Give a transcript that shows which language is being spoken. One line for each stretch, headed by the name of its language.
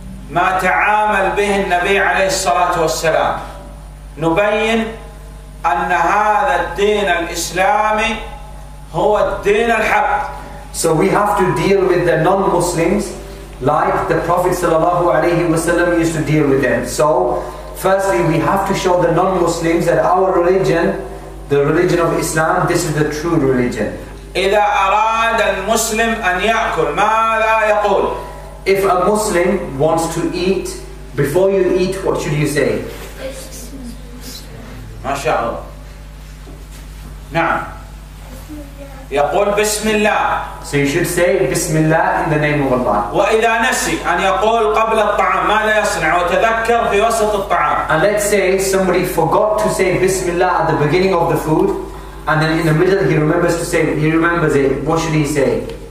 Arabic: ما تعامل به النبي عليه الصلاة والسلام نبين أن هذا الدين الإسلامي هو الدين الحق.
English: So we have to deal with the non-Muslims like the Prophet
Arabic: صلى الله عليه وسلم
English: used to deal with them. So firstly we have to show the non-Muslims that our religion, the religion of Islam, this is the true religion.
Arabic: إذا أراد المسلم أن يأكل ما لا يقول.
English: If a Muslim wants to eat, before you eat, what should you say?
Arabic: MashaAllah. نعم. يقول بسم الله.
English: So you should say بسم الله in the name of Allah.
Arabic: وإذا نسي أن يقول قبل الطعام ماذا يصنع وتذكر في وسط الطعام.
English: And let's say somebody forgot to say بسم الله at the beginning of the food, and then in the middle he remembers to say, he remembers it, what should he say?